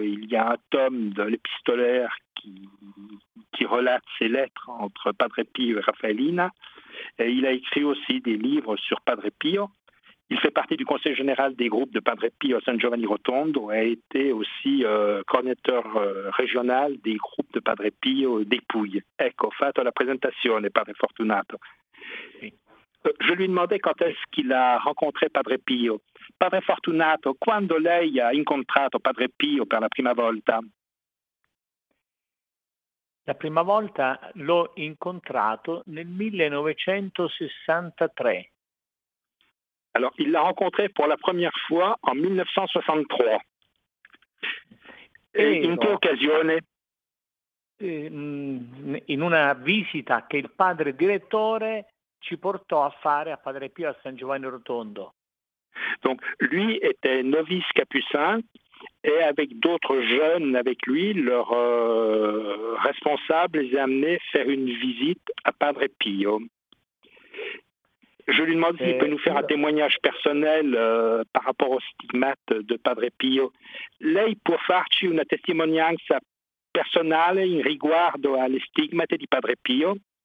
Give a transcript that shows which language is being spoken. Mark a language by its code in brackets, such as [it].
[fr] Et il y a un tome de l'épistolaire qui relate ces lettres entre Padre Pio et Raffaelina. Et il a écrit aussi des livres sur Padre Pio. Il fait partie du conseil général des groupes de Padre Pio à San Giovanni Rotondo et a été aussi coordinateur régional des groupes de Padre Pio d'Épouille. [it] Ecco, fatto la presentazione, Padre Fortunato. [fr] Je lui demandais quand est-ce qu'il a rencontré Padre Pio. [it] Padre Fortunato, quando lei ha incontrato Padre Pio per la prima volta? La prima volta l'ho incontrato nel 1963. [fr] Alors, il l'a rencontré pour la première fois en 1963. [it] Et in che occasione? In una visita che il padre direttore ci portò a fare a Padre Pio a San Giovanni Rotondo. [fr] Donc, lui était novice capucin. Et avec d'autres jeunes avec lui, leur responsable les a amenés faire une visite à Padre Pio. Je lui demande s'il peut nous faire un témoignage personnel par rapport au stigmate de Padre Pio. [it] Lei può farci una testimonianza personale in riguardo alle stigmate di Padre Pio?